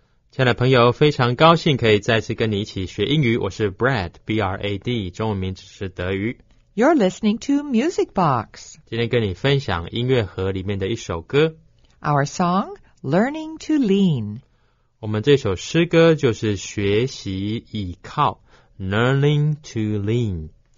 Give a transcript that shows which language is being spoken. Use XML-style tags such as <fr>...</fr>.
<zh>亲爱的朋友，非常高兴可以再次跟你一起学英语。我是 Brad, B-R-A-D, 中文名字是德瑜。</zh> <en>You're listening to Music Box.</en> <zh>今天跟你分享音乐盒里面的一首歌。</zh> <en>Our song, Learning to Lean.</en> <zh>我们这首诗歌就是学习倚靠 ,</zh> <en>Learning to Lean.</en>